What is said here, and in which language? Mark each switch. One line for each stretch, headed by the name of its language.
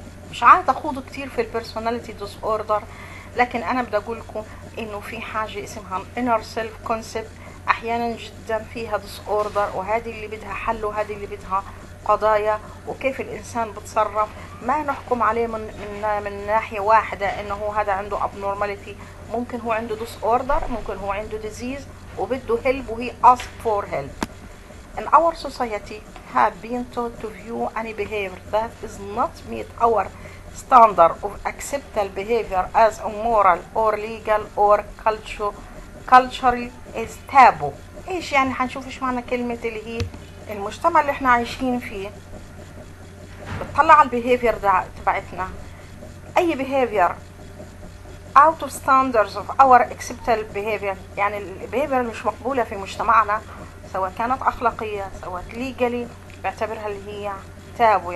Arabic: مش عادة أخوض كتير في البيرسوناليتي ديس أوردر، لكن أنا بدي أقول لكم إنه في حاجة اسمها
English: inner self concept
Arabic: أحيانا جدا فيها disorder، وهذه اللي بدها حل وهذه اللي بدها قضايا وكيف الإنسان بتصرف، ما نحكم عليه من ناحية واحدة إنه هذا عنده abnormality، ممكن هو عنده disorder، ممكن هو عنده disease وبده help وهي
English: ask for help. In our society have been taught to view any behavior that is not meet our standard of acceptable behavior as immoral or legal or culturally is taboo.
Arabic: ايش يعني حنشوف ايش معنى كلمة اللي هي المجتمع اللي احنا عايشين فيه بتطلع على البيهيفير تبعتنا، اي بيهيفير
English: out of standards of our acceptable behavior،
Arabic: يعني البيهيفير اللي مش مقبولة في مجتمعنا سواء كانت اخلاقية سواء legally بيعتبرها اللي هي تابو.